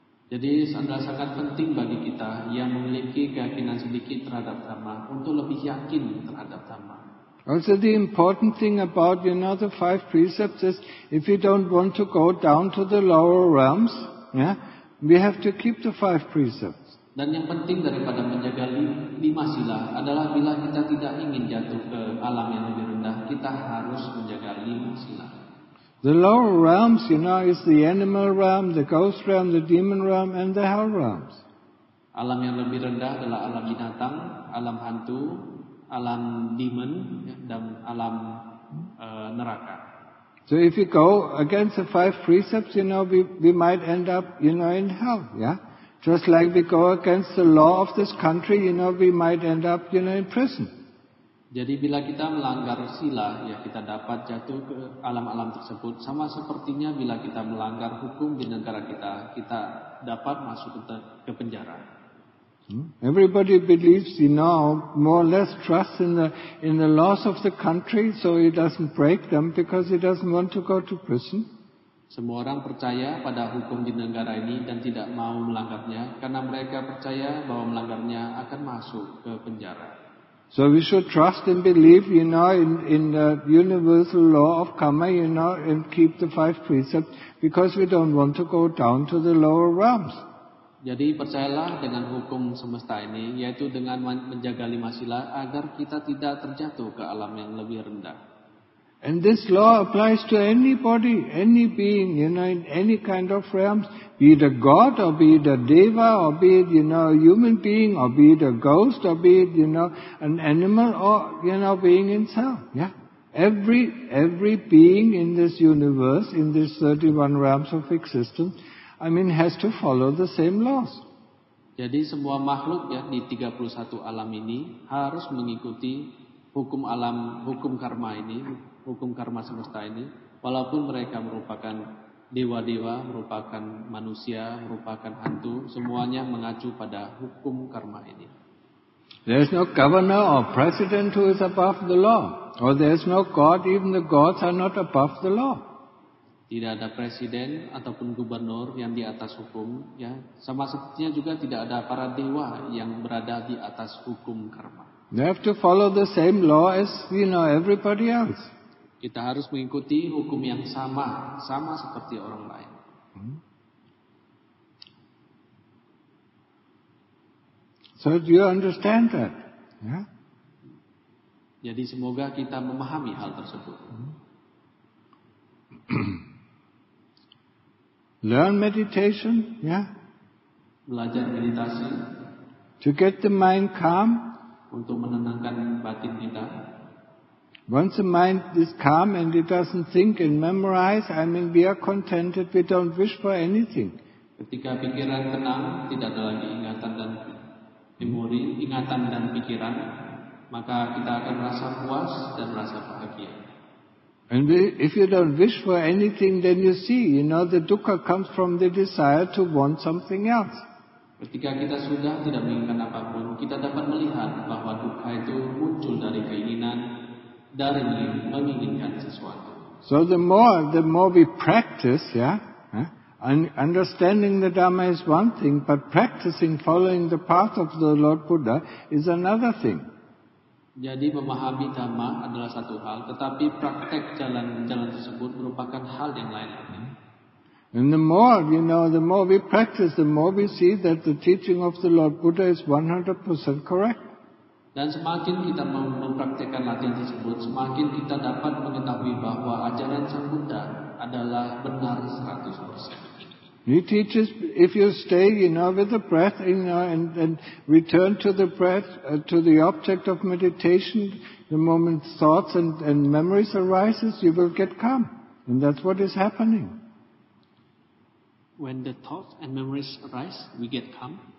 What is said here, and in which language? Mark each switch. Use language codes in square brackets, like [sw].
[id] Jadi sangat penting bagi kita yang memiliki keyakinan sedikit terhadap karma untuk lebih yakin terhadap karma. [en] Also the important thing about you know the five precepts is if you don't want to go down to the lower realms, yeah, we have to keep the five precepts. [id] Dan yang penting daripada menjaga lima sila adalah bila kita tidak ingin jatuh ke alam yang lebih rendah, kita harus menjaga lima sila. [en] The lower realms, you know, is the animal realm, the ghost realm, the demon realm, and the hell realms. [id] Alam yang lebih rendah adalah alam binatang, alam hantu, alam demon, dan alam neraka. [en] So if you go against the five precepts, you know, we might end up, you know, in hell, yeah? Just like we go against the law of this country, you know, we might end up, you know, in prison. [id] Jadi bila kita melanggar sila, ya kita dapat jatuh ke alam-alam tersebut. Sama sepertinya bila kita melanggar hukum di negara kita, kita dapat masuk ke penjara. [en] Everybody believes, you know, more or less trust in the laws of the country, so he doesn't break them because he doesn't want to go to prison. [id] Semua orang percaya pada hukum di negara ini dan tidak mau melanggarnya, karena mereka percaya bahwa melanggarnya akan masuk ke penjara. [en] So we should trust and believe, you know, in the universal law of karma, you know, and keep the five precepts because we don't want to go down to the lower realms. [id] Jadi percayalah dengan hukum semesta ini, yaitu dengan menjaga lima sila agar kita tidak terjatuh ke alam yang lebih rendah. [en] And this law applies to anybody, any being, you know, in any kind of realms, be it a god or be it a deva or be it, you know, a human being or be it a ghost or be it, you know, an animal or, you know, being itself, yeah. Every being in this universe, in this 31 realms of existence, I mean, has to follow the same laws. [id] Jadi semua makhluk ya di 31 alam ini harus mengikuti hukum alam, hukum karma ini, hukum karma semesta ini, walaupun mereka merupakan dewa-dewa, merupakan manusia, merupakan hantu, semuanya mengacu pada hukum karma ini. [en] There is no governor or president who is above the law, or there is no god, even the gods are not above the law. [id] Tidak ada presiden ataupun gubernur yang di atas hukum, ya. Sama sepertinya juga tidak ada para dewa yang berada di atas hukum karma. [en] They have to follow the same law as you know everybody else. [id] Kita harus mengikuti hukum yang sama, sama seperti orang lain. [en] So do you understand that? Yeah? [id] Jadi semoga kita memahami hal tersebut. [en] Learn meditation, yeah. [id] Belajar meditasi. [en] To get the mind calm. [id] Untuk menenangkan batin kita. [en] Once the mind is calm and it doesn't think and memorize, I mean, we are contented. We don't wish for anything. [id] Ketika pikiran tenang, tidak ada lagi ingatan dan memori, ingatan dan pikiran, maka kita akan merasa puas dan merasa bahagia. [en] And if you don't wish for anything, then you see, you know, the dukkha comes from the desire to want something else. [id] Ketika kita sudah tidak menginginkan apapun, kita dapat melihat bahwa dukkha itu muncul dari keinginan, dari menginginkan sesuatu. [en] So the more we practice, yeah, and understanding the Dhamma is one thing, but practicing following the path of the Lord Buddha is another thing. [id] Jadi memahami dhamma adalah satu hal, tetapi praktek jalan-jalan tersebut merupakan hal yang lain. [en] And the more, you know, the more we practice, the more we see that the teaching of the Lord Buddha is 100% correct. [id] Dan semakin kita mempraktekkan latihan tersebut, semakin kita dapat mengetahui bahwa ajaran Sang Buddha adalah benar 100%. [en] He teaches if you stay, you know, with the breath, you know, and return to the breath, to the object of meditation, the moment thoughts and memories arises, you will get calm. And that's what is happening. When the thoughts and memories arise, we get calm.